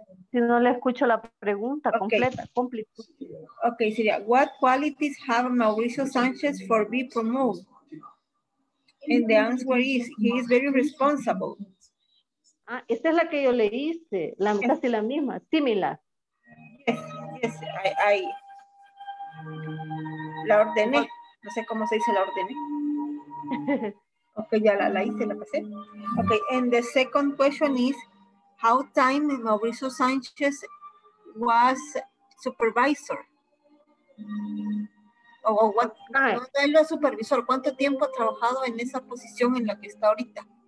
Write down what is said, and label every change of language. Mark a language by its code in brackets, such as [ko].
[es] Si no le escucho la pregunta completa, completa. [en] Okay, Siria, what qualities have Mauricio Sanchez for be promoted? And the answer is, he is very responsible. [es] Ah, esta es la que yo le hice, la, casi la misma, similar. [en] Yes, I [es] la ordené, no sé cómo se dice la ordené. Ok, ya la hice, la pasé. [en] Ok, and the second question is, how time Mauricio Sanchez was supervisor? [es] ¿Cuánto supervisor? ¿Cuánto tiempo ha trabajado en esa posición en la que está ahorita?